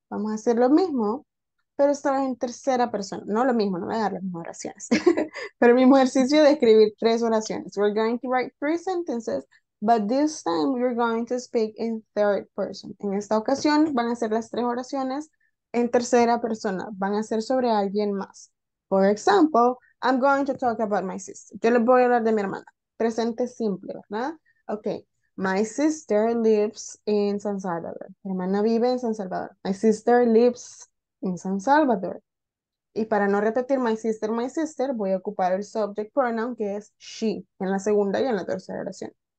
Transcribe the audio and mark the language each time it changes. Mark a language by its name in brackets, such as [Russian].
[Spanish] Vamos a hacer lo mismo, pero esta vez en tercera persona. No lo mismo, no voy a dar las mismas oraciones. Pero el mismo ejercicio de escribir tres oraciones. [English] We're going to write 3 sentences, but this time we're going to speak in third person. [Spanish] En esta ocasión van a hacer las 3 oraciones en tercera persona. Van a ser sobre alguien más. [English] For example, I'm going to talk about my sister. [Spanish] Yo les voy a hablar de mi hermana. Presente simple, ¿verdad? [English] Okay. My sister lives in San Salvador. [Spanish] Mi hermana vive en San Salvador. [English] My sister lives in San Salvador. [Spanish] Y para no repetir [English] my sister, [Spanish] voy a ocupar el subject pronoun que es she en la segunda y en la tercera oración.